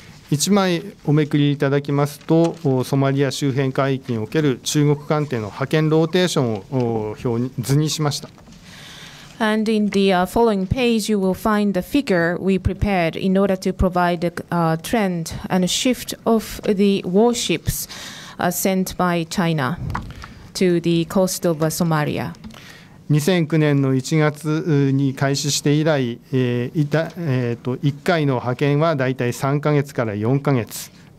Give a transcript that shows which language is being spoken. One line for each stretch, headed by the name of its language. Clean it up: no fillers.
Japanese: 1枚おめくりいただきますと、ソマリア周辺海域における中国艦艇の派遣ローテーションを表に図にしました。
English: And in the following page, you will find the figure we prepared in order to provide a trend and a shift of the warships sent by China to the coast of Somalia.
Japanese: 2009年の1月に開始して以来、1回の派遣はだいたい3ヶ月から4ヶ月。